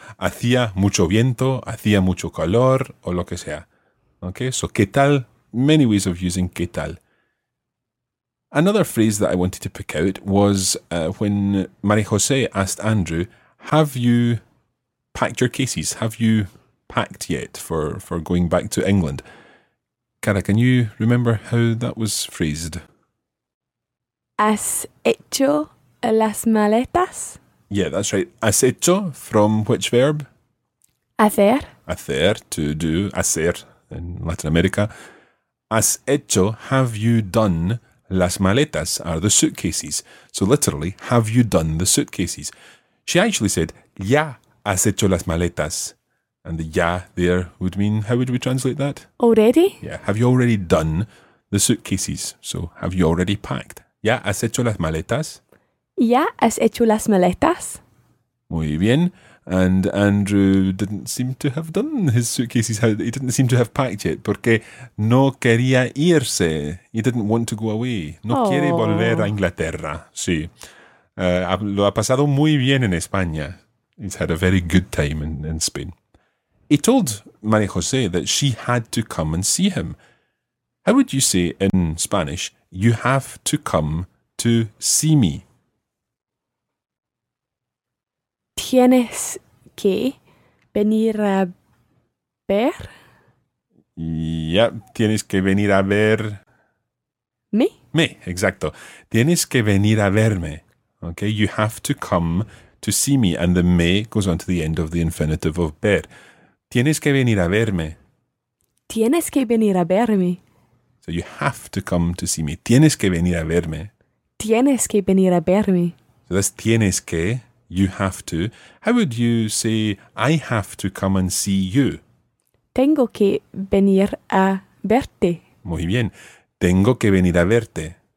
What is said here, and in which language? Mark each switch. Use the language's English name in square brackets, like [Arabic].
[Spanish] Hacía mucho viento, hacía mucho calor, o lo que sea. [English] Okay, so [Spanish] ¿qué tal? [English] Many ways of using ¿qué tal? Another phrase that I wanted to pick out was when María José asked Andrew, have you packed your cases? Have you packed yet for going back to England? Cara, can you remember how that was phrased? [Spanish] ¿Has hecho las maletas? [English] Yeah, that's right. [Spanish] ¿Has hecho? [English] From which verb? [Spanish] Hacer. [English] Hacer, to do, hacer in Latin America. [Spanish] ¿Has hecho? [English] Have you done [Spanish] las maletas? [English] Are the suitcases. So literally, have you done the suitcases? She actually said, [Spanish] ya has hecho las maletas. [English] And the ya there would mean, how would we translate that? Already? Yeah, have you already done the suitcases? So, have you already packed? [Spanish] Ya has hecho las maletas? Ya has hecho las maletas. Muy bien. [English] And Andrew didn't seem to have done his suitcases. He didn't seem to have packed yet. [Spanish] Porque no quería irse. [English] He didn't want to go away. No oh. [Spanish] quiere volver a Inglaterra. Sí. Lo ha pasado muy bien en España. [English] He's had a very good time in Spain. He told María José that she had to come and see him. How would you say in Spanish, you have to come to see me? [Spanish] Tienes que venir a ver? Yep, tienes que venir a ver. [English] Me? [Spanish] Me, exacto. Tienes que venir a verme. [English] Okay, you have to come to see me, and the me goes on to the end of the infinitive of ver. [Spanish] Tienes que venir a verme. Tienes que venir a verme. [English] So you have to come to see me. [Spanish] Tienes que venir a verme. Tienes que venir a verme. [English] So that's [Spanish] tienes que, [English] you have to. How would you say, I have to come and see you? [Spanish] Tengo que venir a verte. Muy bien. Tengo que venir a verte.